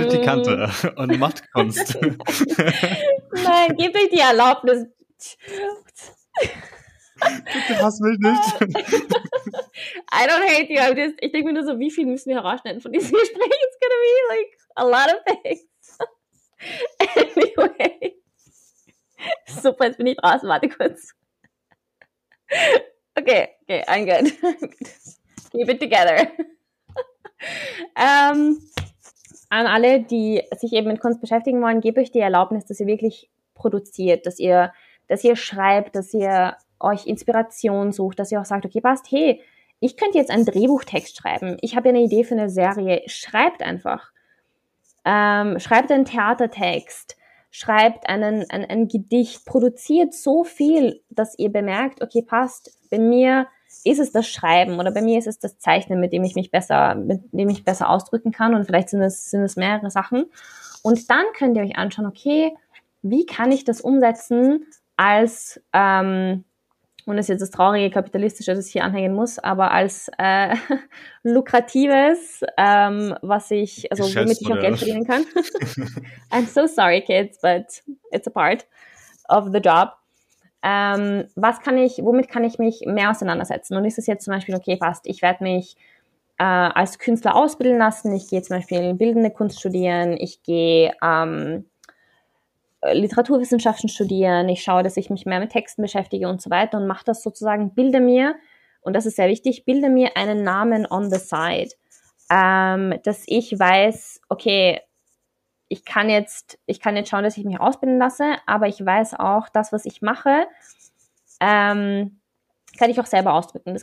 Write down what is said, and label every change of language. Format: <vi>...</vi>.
<de>euch die Kante und macht Kunst. Nein, gebt euch die Erlaubnis. Du hast mich nicht.</de> <en>I don't hate you.</en> <de>Ich denke mir nur so, wie viel müssen wir herausschneiden von diesem Gespräch?</de> <en>It's gonna be like a lot of things. Anyway.</en> <de>Super, jetzt bin ich draußen. Warte kurz.</de> <en>Okay, I'm good. Keep it together.</en> <de>An alle, die sich eben mit Kunst beschäftigen wollen, gebt euch die Erlaubnis, dass ihr wirklich produziert, dass ihr schreibt, dass ihr euch Inspiration sucht, dass ihr auch sagt, okay, passt, hey, ich könnte jetzt einen Drehbuchtext schreiben. Ich habe ja eine Idee für eine Serie. Schreibt einfach. Schreibt einen Theatertext. Schreibt ein Gedicht. Produziert so viel, dass ihr bemerkt, okay, passt, bei mir ist es das Schreiben oder bei mir ist es das Zeichnen, mit dem ich mich besser ausdrücken kann, und vielleicht sind es mehrere Sachen. Und dann könnt ihr euch anschauen, okay, wie kann ich das umsetzen als, und das ist jetzt das traurige Kapitalistische, das ich hier anhängen muss, aber als lukratives, womit ich auch Geld verdienen kann.</de> <en>I'm so sorry, kids, but it's a part of the job.</en> <de>Was kann ich, womit kann ich mich mehr auseinandersetzen? Und ist es jetzt zum Beispiel, okay, passt, ich werde mich als Künstler ausbilden lassen, ich gehe zum Beispiel bildende Kunst studieren, ich gehe Literaturwissenschaften studieren, ich schaue, dass ich mich mehr mit Texten beschäftige und so weiter und mache das sozusagen, bilde mir, und das ist sehr wichtig, bilde mir einen Namen</de> <en>on the side,</en> <de>dass ich weiß, okay, ich kann jetzt schauen, dass ich mich ausbilden lasse, aber ich weiß auch, das, was ich mache, kann ich auch selber ausdrücken.</de>